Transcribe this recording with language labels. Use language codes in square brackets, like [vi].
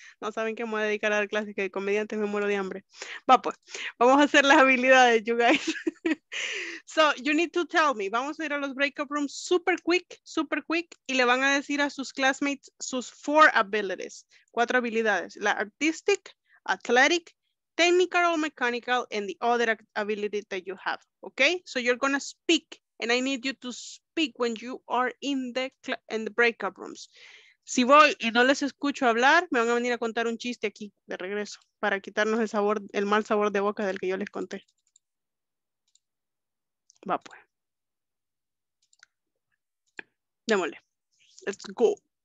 [es] No saben que me voy a dedicar a dar clases, que de comediante me muero de hambre. Va, pues, vamos a hacer las habilidades, [en] you guys. So, you need to tell me. [es] Vamos a ir a los [en] breakout rooms super quick, [es] y le van a decir a sus classmates sus [en] four abilities, [es] cuatro habilidades. [en] La artistic, athletic, technical or mechanical, and the other ability that you have, okay? So you're gonna speak, and I need you to speak when you are in the breakout rooms. [es] Si voy y no les escucho hablar, me van a venir a contar un chiste aquí, de regreso, para quitarnos el sabor, el mal sabor de boca del que yo les conté. Va, pues. Démosle. [en] Let's go.